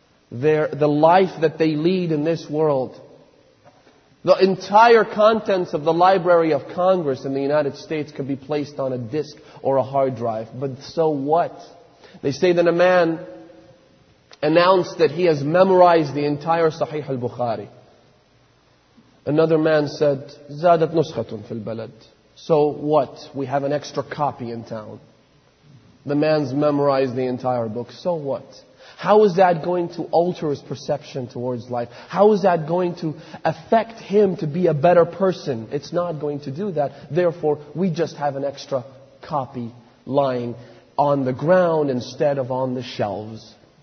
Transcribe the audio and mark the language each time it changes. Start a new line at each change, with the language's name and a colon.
English: The life that they lead in this world. The entire contents of the Library of Congress in the United States could be placed on a disk or a hard drive. But so what? They say that a man announced that he has memorized the entire Sahih al-Bukhari. Another man said,
Arabic: زادت نسخة في البلد.
English: So what? We have an extra copy in town. The man's memorized the entire book. So what? How is that going to alter his perception towards life? How is that going to affect him to be a better person? It's not going to do that. Therefore, we just have an extra copy lying on the ground instead of on the shelves.